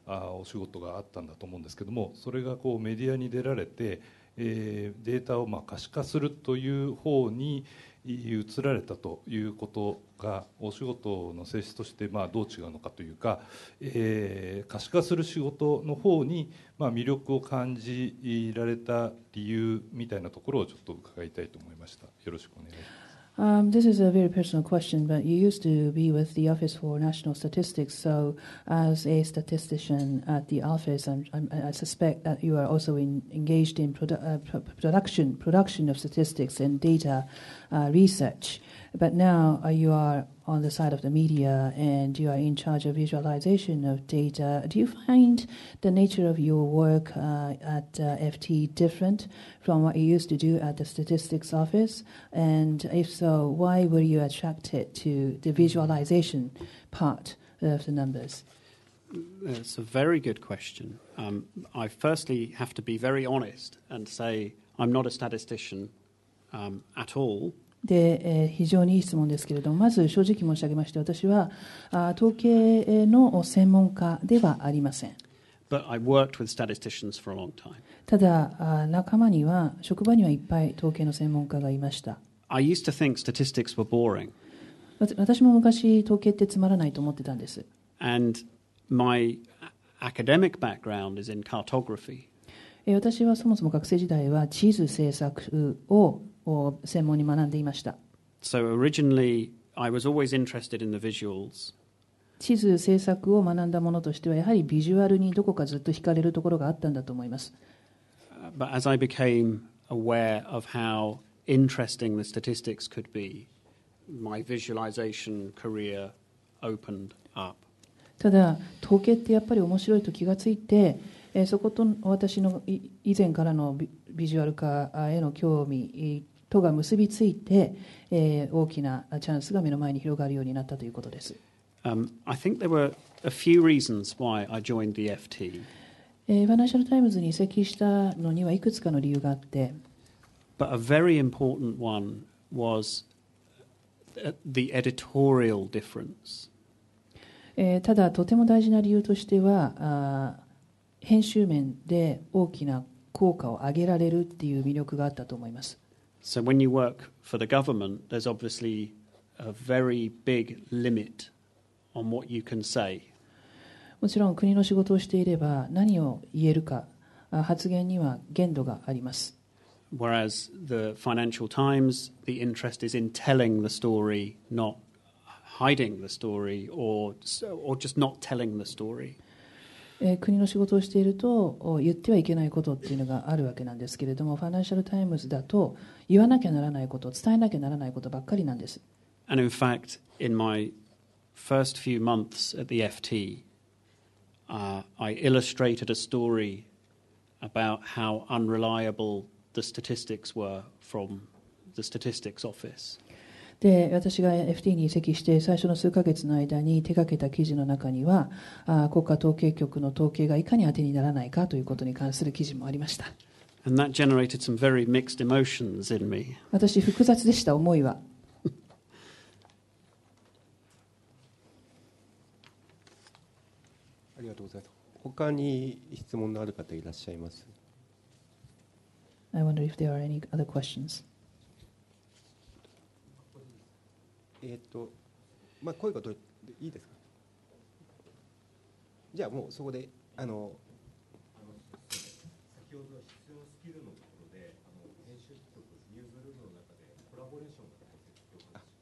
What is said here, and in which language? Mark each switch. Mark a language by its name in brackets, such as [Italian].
[Japanese] お仕事があったんだと思うんですけども、それがこうメディアに出られて、データをまあ可視化するという方に移られたということが、お仕事の性質としてまあどう違うのかというか、可視化する仕事の方にまあ魅力を感じられた理由みたいなところをちょっと伺いたいと思いました。よろしくお願いします。 [English] This is a very personal question, but you used to be with the Office for National Statistics. So as a statistician at the office, I suspect that you are also engaged in production of statistics and data research. But now you are on the side of the media and you are in charge of visualization of data. Do you find the nature of your work at FT different from what you used to do at the statistics office? And if so, why were you attracted to the visualization part of the numbers? That's a very good question. I firstly have to be very honest and say I'm not a statistician at all. [Japanese] で、非常にいい質問ですけれども、まず正直申し上げまして、私は統計の専門家ではありません。 [English] But I worked with statisticians for a long time. [Japanese] ただ、仲間には、職場にはいっぱい統計の専門家がいました。 [English] I used to think statistics were boring. [Japanese] 私も昔、統計ってつまらないと思ってたんです。 [English] And my academic background is in cartography. [Japanese] 私はそもそも学生時代は地図制作を専門に学んでいました。 [English] So originally, I was always interested in the visuals. [Japanese] 地図制作を学んだものとしては、やはりビジュアルにどこかずっと惹かれるところがあったんだと思います。 [English] But as I became aware of how interesting the statistics could be, my visualization career opened up. [Japanese] ただ、統計ってやっぱり面白いと気がついて、そこと私の以前からのビジュアル化への興味とが結びついて、大きなチャンスが目の前に広がるようになったということです。 [English] I think there were a few reasons why I joined the FT. [Japanese] ファイナンシャルタイムズに移籍したのにはいくつかの理由があって。 [English] But a very important one was the editorial difference. [Japanese] ただ、とても大事な理由としては、編集面で大きな効果を上げられるっていう魅力があったと思います。 [English] So when you work for the government, there's obviously a very big limit on what you can say. [Japanese] もちろん国の仕事をしていれば何を言えるか、発言には限度があります。 [English] Whereas the Financial Times, the interest is in telling the story, not hiding the story, or just not telling the story. [Japanese] 国の仕事をしていると言ってはいけないことっていうのがあるわけなんですけれども、ファイナンシャルタイムズだと言わなきゃならないこと、伝えなきゃならないことばっかりなんです。 [English] And in fact, in my first few months at the FT, I illustrated a story about how unreliable the statistics were from the statistics office. [Japanese] で、私が FT に移籍して最初の数ヶ月の間に手掛けた記事の中には、国家統計局の統計がいかに当てにならないかということに関する記事もありました。 [English] And that generated some very mixed emotions in me. [Japanese] 私、複雑でした、思いは。ありがとうございます。他に質問のある方いらっしゃいます。 [English] I wonder if there are any other questions. [Japanese] まあ、声がどういいですか。じゃあもうそこで先ほどの必要スキルのところで編集局ニューブルームの中でコラボレーションが大切と。